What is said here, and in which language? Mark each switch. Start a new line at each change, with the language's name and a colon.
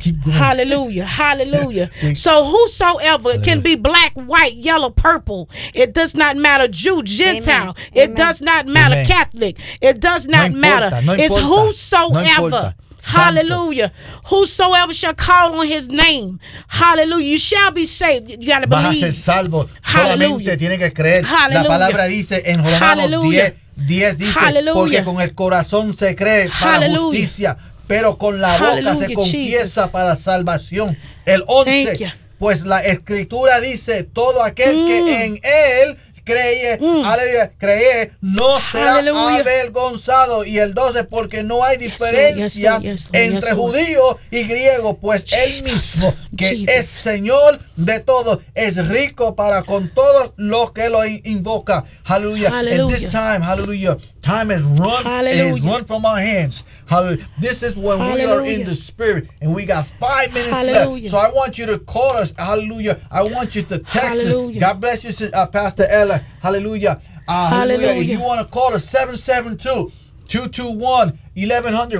English: Hallelujah, hallelujah. So whosoever can be black, white, yellow, purple, it does not matter, Jew, Gentile, Amen. It Amen. Does not matter, Amen. Catholic, it does not
Spanish: no
English: matter.
Spanish: Importa,
English: it's
Spanish: importa,
English: whosoever,
Spanish: no hallelujah, Santo.
English: Whosoever shall call on his name, hallelujah, you shall be saved. You got to believe.
Spanish: Vas a ser salvo. Hallelujah. Tiene que creer.
English: Hallelujah.
Spanish: La palabra dice en Romanos
English: hallelujah.
Spanish: 10 dice,
English: hallelujah.
Spanish: Porque con el corazón se cree para
English: hallelujah.
Spanish: Justicia. Pero con la
English: Hallelujah,
Spanish: boca se confiesa
English: Jesus.
Spanish: Para salvación. El 11, pues la escritura dice, todo aquel que en él cree, cree no
English: Hallelujah.
Spanish: Será avergonzado. Y el 12, porque no hay diferencia entre judío y griego, pues
English: Jesus.
Spanish: Él mismo, que es Señor de todos, es rico para con todos los que lo invoca.
English: Hallelujah. Hallelujah. And this time, hallelujah. Time has run, Hallelujah. It has run from our hands. Hallelujah. This is when Hallelujah. We are in the spirit and we got 5 minutes Hallelujah. Left. So I want you to call us. Hallelujah. I want you to text Hallelujah. Us. God bless you, Pastor Ella. Hallelujah. Hallelujah. If you want to call us, 772-221-1100.